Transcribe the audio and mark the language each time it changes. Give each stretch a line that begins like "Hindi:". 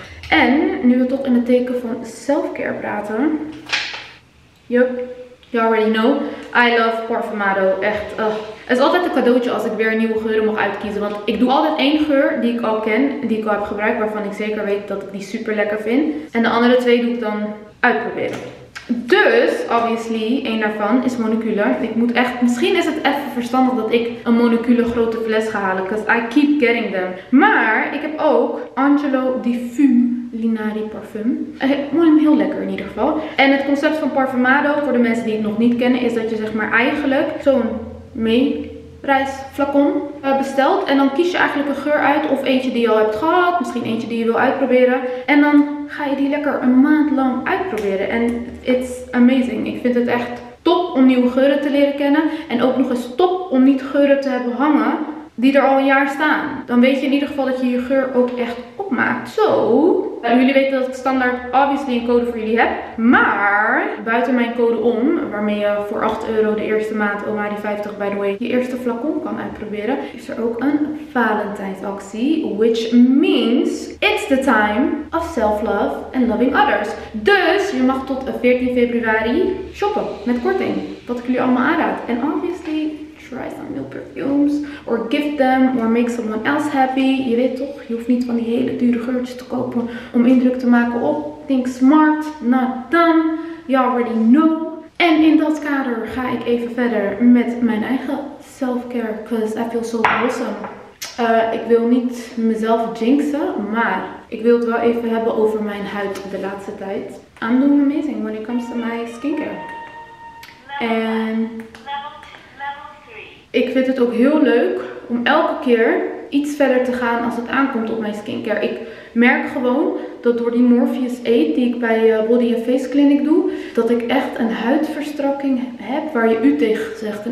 Dutch: En nu we toch in het teken van self-care praten.
English: Yup. You already know. I love Parfumado.
Dutch: Echt. Het is altijd een cadeautje als ik weer nieuwe geuren mag uitkiezen. Want ik doe altijd 1 geur die ik al ken. Die ik al heb gebruikt. Waarvan ik zeker weet dat ik die super lekker vind. En de andere 2 doe ik dan uitproberen. Dus, obviously, 1 daarvan is Monocule. Ik moet echt, misschien is het even verstandig dat ik een Monocule grote fles ga halen.
English: Because I keep getting them.
Dutch: Maar ik heb ook Angelo Diffume Linari Parfum. Heel lekker in ieder geval. En het concept van Parfumado, voor de mensen die het nog niet kennen, is dat je zeg maar eigenlijk zo'n meereisflacon besteld. En dan kies je eigenlijk een geur uit. Of eentje die je al hebt gehad. Misschien eentje die je wil uitproberen. En dan ga je die lekker een maand lang uitproberen. En
English: it's amazing.
Dutch: Ik vind het echt top om nieuwe geuren te leren kennen. En ook nog eens top om niet geuren te hebben hangen. die er al een jaar staan. Dan weet je in ieder geval dat je je geur ook echt opmaakt. Zo. Jullie weten dat ik standaard obviously een code voor jullie heb. Maar buiten mijn code om, waarmee je voor 8 euro de eerste maand Omari 50
English: by the way,
Dutch: je eerste flacon kan uitproberen, is er ook een Valentijnsactie.
English: Which means it's the time of self-love and loving others.
Dutch: Dus je mag tot 14 februari shoppen met korting. Wat ik jullie allemaal aanraad.
English: En obviously, try some new perfumes. Or give them. Or make someone else happy.
Dutch: Je weet toch, je hoeft niet van die hele dure geurtjes te kopen om indruk te maken op.
English: Think smart, not done. You already know.
Dutch: En in dat kader ga ik even verder met mijn eigen self-care.
English: Because I feel so awesome.
Dutch: Ik wil niet mezelf jinxen. Maar ik wil het wel even hebben over mijn huid de laatste tijd.
English: I'm doing amazing when it comes to my skincare.
Dutch: En ik vind het ook heel leuk om elke keer iets verder te gaan als het aankomt op mijn skincare. Ik merk gewoon dat door die Morpheus 8 die ik bij Body & Face Clinic doe, dat ik echt een huidverstrakking heb waar je u tegen zegt.